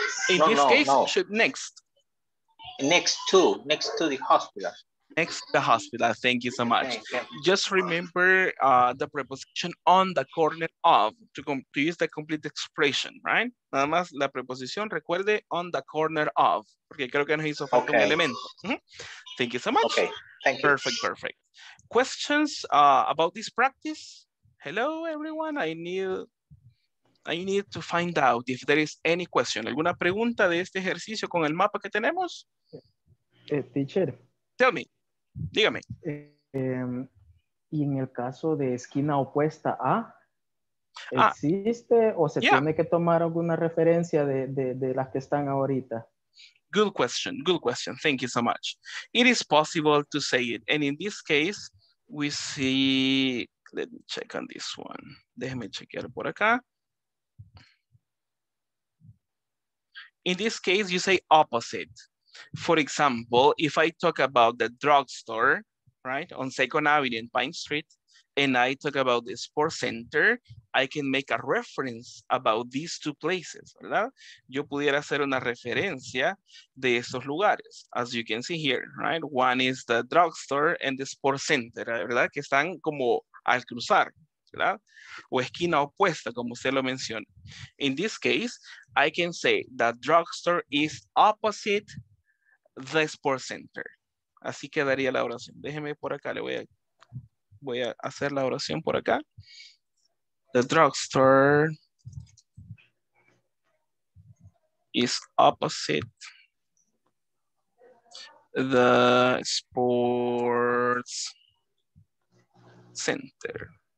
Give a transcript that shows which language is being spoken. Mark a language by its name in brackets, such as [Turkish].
[English] In this case, should next. Next to the hospital. Next to the hospital. Thank you so much. Okay. Just remember the preposition on the corner of to use the complete expression, right? [Spanish] Nada más la preposición, recuerde, on the corner of. Porque creo que nos hizo falta un elemento. [English] Thank you so much. Okay. Thank you. Perfect, perfect. Questions about this practice? Hello, everyone. I need to find out if there is any question. [Spanish] ¿Alguna pregunta de este ejercicio con el mapa que tenemos? [English] Teacher. Tell me. [Spanish] Dígame. Y en el caso de esquina opuesta a, ¿existe o se tiene que tomar alguna referencia de las que están ahorita? [English] Good question. Good question. Thank you so much. It is possible to say it. And in this case, we see, let me check on this one. [Spanish] Déjeme chequear por acá. [English] In this case, you say opposite. For example, if I talk about the drugstore, right, on Second Avenue and Pine Street, and I talk about the sports center, I can make a reference about these two places, [Spanish] ¿verdad? Yo pudiera hacer una referencia de estos lugares, [English] as you can see here, right? One is the drugstore and the sports center, [Spanish] ¿verdad? Que están como al cruzar, ¿verdad? O esquina opuesta, como usted lo menciona. [English] In this case, I can say the drugstore is opposite the sports center. [Spanish] Así quedaría la oración. Déjeme por acá, le voy a, voy a hacer la oración por acá. [English] The drugstore is opposite the sports center.